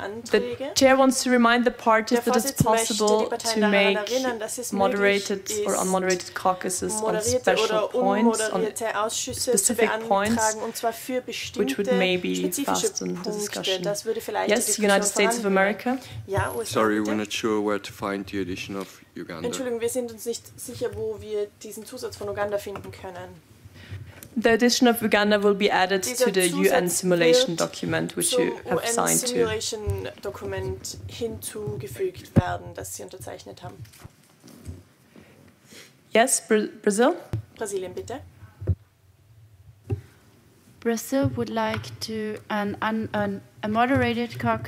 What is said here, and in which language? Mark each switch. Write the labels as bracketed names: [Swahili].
[English] The chair wants to remind the parties that it's possible to make moderated or unmoderated caucuses on special points, on specific points, which would maybe fasten the discussion. Yes, United States of America. Sorry, we're not sure where to find the edition of Uganda. [German] Entschuldigung, wir sind uns nicht sicher, wo wir diesen Zusatz von Uganda finden können. [English] The edition of Uganda will be added to the UN simulation document, which you have signed to. [German] Zum UN-Simulation-Dokument hinzugefügt werden, das Sie unterzeichnet haben. [English] Yes, Brazil? [German] Brasilien, bitte. [English] Brazil would like to a moderated caucus.